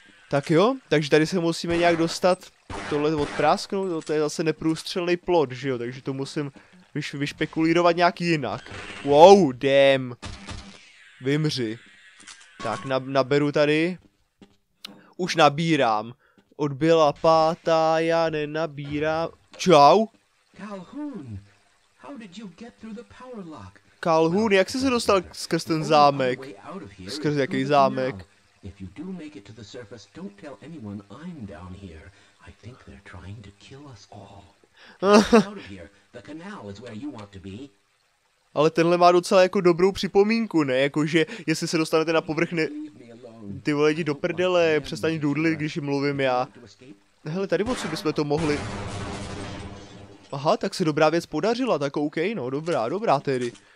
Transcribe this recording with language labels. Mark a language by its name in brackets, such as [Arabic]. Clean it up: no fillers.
[Czech] Tak jo, takže tady se musíme nějak dostat tohle odprásknout, no, to je zase neprůstřelný plot, že jo, takže to musím vyšpekulírovat nějak jinak. [English] Wow, damn. [Czech] Vymři. Tak, naberu tady. Už nabírám. Odbyla pátá, já nenabírám. Čau. [English] Calhoun, how did you get through the power lock? [Czech] Calhoun, jak jsi se dostal skrz ten zámek? Skrz jaký zámek? [English] If you do make it to the surface, don't tell anyone I'm down here. I think they're trying to kill us all. Out of here. The canal is where you want to be. [Czech] Ale tenhle má docela jako dobrou připomínku, ne? Jakože, jestli se dostanete na povrch, ne... Ty vole, jdi do prdele, přestaň důdlit, když jim mluvím já. Hele, tady moc bychom to mohli... Aha, tak se dobrá věc podařila, tak okej, no, dobrá tedy.